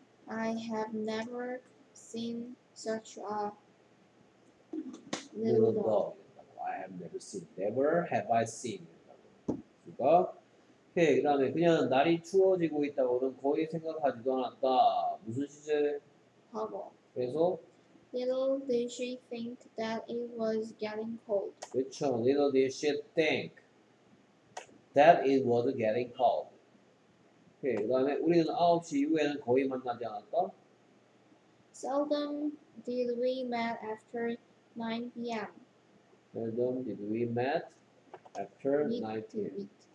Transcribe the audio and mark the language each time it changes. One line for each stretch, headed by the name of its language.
English: I have never seen such a little dog. I have never seen. Never have I seen.
Korean: 그거. 오케이. 그다음에 그냥 날이 추워지고 있다고는 거의 생각하지도 않았다. 무슨 시제? 과거. 그래서.
English: Little did she think that it was getting cold.
Korean: 그렇죠.
English: Little did she think that it was getting cold.
Korean: 오케이. 그다음에 우리는 9시 이후에는 거의 만나지 않았다.
English: Seldom did we meet after 9 p.m. Seldom did we meet after 9 p.m.